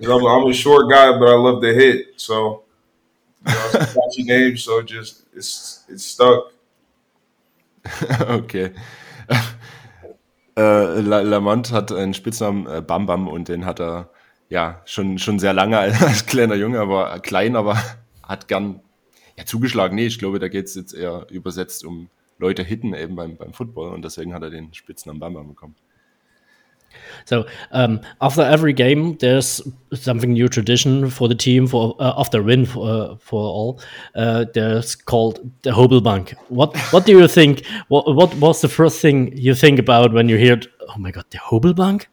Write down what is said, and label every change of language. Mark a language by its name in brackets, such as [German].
[English] I'm a short guy, but I love to hit. So, you know, it's a catchy name, so just it's stuck. Okay. [German] Lamont hat einen Spitznamen Bam Bam und den hat er ja schon sehr lange als kleiner Junge, aber hat gern ja zugeschlagen. Nee, ich glaube, da geht es jetzt eher übersetzt um Leute hitten eben beim Football und deswegen hat er den Spitznamen Bam Bam bekommen. [English] So, after every game, there's something new tradition for the team, for after win for all, there's called the Hobelbank. What do you think, what was the first thing you think about when you heard, oh my god, the Hobelbank?